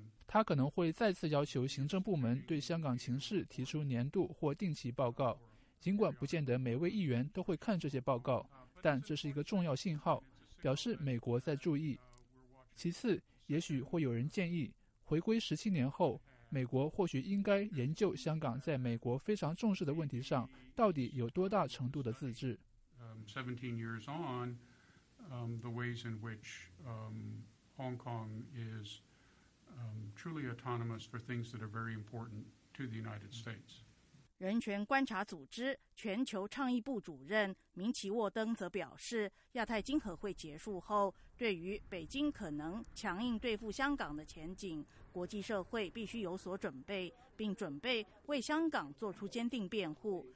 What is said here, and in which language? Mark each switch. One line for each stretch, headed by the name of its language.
Chinese: 他可能会再次要求行政部门对香港情势提出年度或定期报告，尽管不见得每位议员都会看这些报告，但这是一个重要信号，表示美国在注意。其次，也许会有人建议回归17年后美国或许应该研究香港在美国非常重视的问题上到底有多大程度的自治。
English: 17 years on, the ways in which Hong Kong is truly autonomous for things that are very important to the United States.
Chinese: 人权观察组织全球倡议部主任明奇沃登则表示，亚太经合会结束后，对于北京可能强硬对付香港的前景，国际社会必须有所准备，并准备为香港做出坚定辩护。